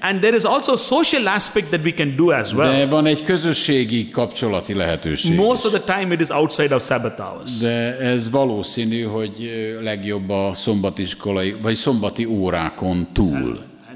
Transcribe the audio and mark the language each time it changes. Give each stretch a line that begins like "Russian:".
English: And there is also a social aspect that we can do as well.
Hungarian: De van egy közösségi kapcsolati lehetőség.
English: Most of the time it is outside of Sabbath hours.
Hungarian: De ez valószínű, hogy legjobb a szombatiskolai vagy szombati órákon túl.